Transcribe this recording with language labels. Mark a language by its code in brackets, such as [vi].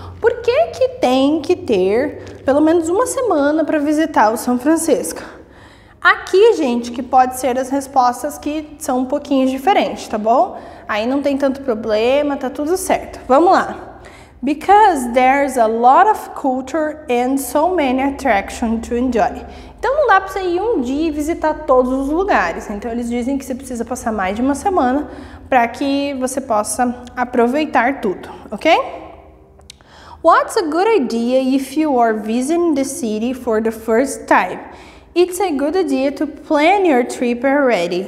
[pt] Por que que tem que ter pelo menos uma semana para visitar o São Francisco? Aqui, gente, que pode ser as respostas que são um pouquinho diferentes, tá bom? Aí não tem tanto problema, tá tudo certo. Vamos lá. [en] Because there's a lot of culture and so many attractions to enjoy. [pt] Então não dá para você ir um dia e visitar todos os lugares. Então eles dizem que você precisa passar mais de uma semana para que você possa aproveitar tudo, ok? [en] What's a good idea if you are visiting the city for the first time? It's a good idea to plan your trip already.